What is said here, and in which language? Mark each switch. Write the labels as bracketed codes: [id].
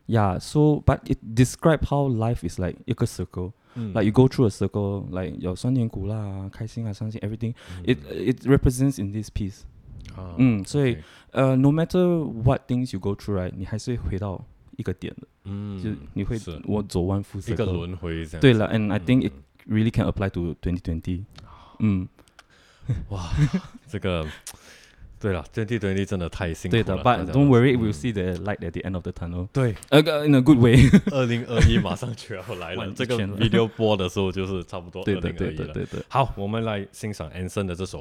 [en] ，Yeah， so but it describe how life is like [zh] 一个 [en] circle。 Like you go through a circle, like [zh] 有酸甜苦辣啊，开心啊，伤心 [en] ，everything、it represents in this piece、啊。 [zh] 所以、 [en] no matter what things you go through, right， [zh] 你还是会回到。一个点的，就你会我走弯复一个轮回这样。对了 [en] ，and I think it really can apply to 2020。 [zh] 哇，这个，对了 ，2020 真的太辛苦了。对的 [en] ，but don't worry, we'll see the light at the end of the tunnel。 [zh] 对 [en] ，in a good way。 [zh] 2021马上就要来了，这个 video 播的时候就是差不多2021了。对对对对对。好，我们来欣赏 Anson 的这首